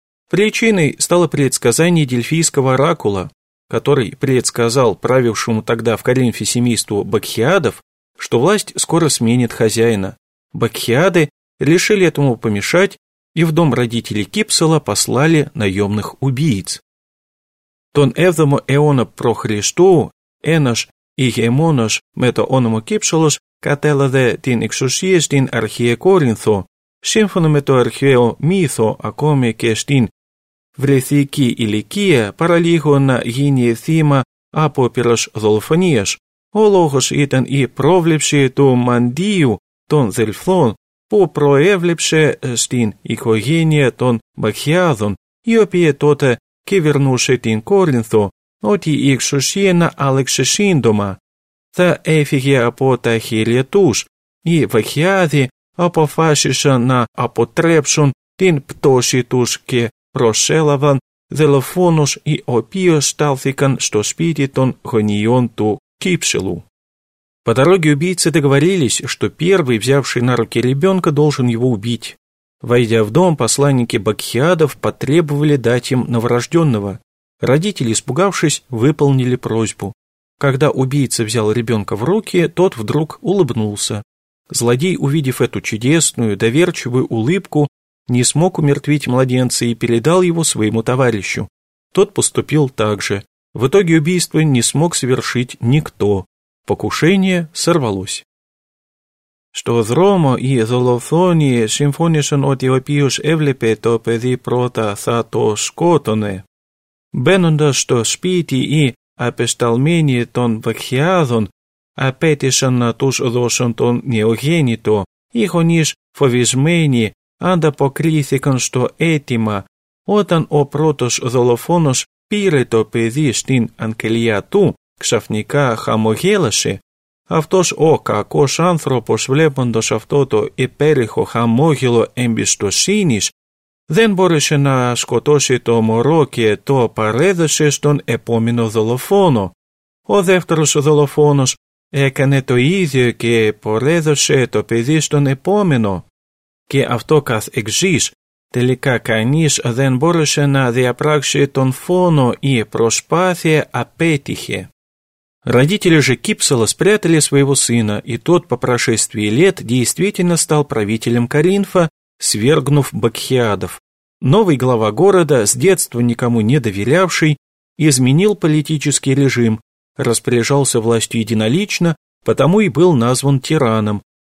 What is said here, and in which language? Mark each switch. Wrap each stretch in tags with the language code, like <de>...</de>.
<ru>Причиной стало предсказание Дельфийского оракула, который предсказал правившему тогда в Коринфе семейству Бакхиадов, что власть скоро сменит хозяина. Бакхиады решили этому помешать и в дом родителей Кипсела послали наемных убийц.</ru> <el>Τον 7ο αιώνα προ Χριστού, ένας ηγεμόνας με το όνομα Κύψολος κατέλαβε την εξουσία στην αρχαία Κόρινθο. Σύμφωνα με το αρχαίο μύθο, ακόμη και στην βρεθική ηλικία, παραλίγο να γίνει θύμα απόπειρας δολοφονίας. Ο λόγος ήταν η πρόβλεψη του μαντίου των Δελφών, που προέβλεψε στην οικογένεια των Μπαχιάδων, η οποία τότε κυβερνούσε την Κόρινθο, ότι η εξουσία να άλλαξε σύντομα. Θα έφυγε από τα χέρια τους. Οι Βαχιάδοι αποφάσισαν να αποτρέψουν την πτώση τους και προσέλαβαν δολοφόνους οι οποίοι στάλθηκαν στο σπίτι των γονιών του Κύψελου.</el> <ru>По дороге убийцы договорились, что первый, взявший на руки ребенка, должен его убить. Войдя в дом, посланники Бакхиадов потребовали дать им новорожденного. Родители, испугавшись, выполнили просьбу. Когда убийца взял ребенка в руки, тот вдруг улыбнулся. Злодей, увидев эту чудесную, доверчивую улыбку, не смог умертвить младенца и передал его своему товарищу. Тот поступил так же. В итоге убийство не смог совершить никто. Покушение сорвалось.</ru> <el>Στο δρόμο οι δολοφόνοι συμφώνησαν ότι ο οποίος έβλεπε το παιδί πρώτα θα το σκότωνε. Μπαίνοντας στο σπίτι οι απεσταλμένοι των Βαχιάδων απέτησαν να τους δώσουν τον νεογέννητο. Οι γονείς φοβισμένοι ανταποκρίθηκαν στο αίτημα. Όταν ο πρώτος δολοφόνος πήρε το παιδί στην αγκαλιά του, ξαφνικά χαμογέλασε. Αυτός ο κακός άνθρωπος, βλέποντας αυτό το υπέρηχο χαμόγελο εμπιστοσύνης, δεν μπόρεσε να σκοτώσει το μωρό και το παρέδωσε στον επόμενο δολοφόνο. Ο δεύτερος δολοφόνος έκανε το ίδιο και παρέδωσε το παιδί στον επόμενο. Και αυτό καθ' εξής, τελικά κανείς δεν μπόρεσε να διαπράξει τον φόνο, η προσπάθεια απέτυχε.</el> <ru>Родители же Кипсела спрятали своего сына, и тот по прошествии лет действительно стал правителем Коринфа, свергнув Бакхиадов. Новый глава города, с детства никому не доверявший, изменил политический режим, распоряжался властью единолично, потому и был назван тираном.</ru>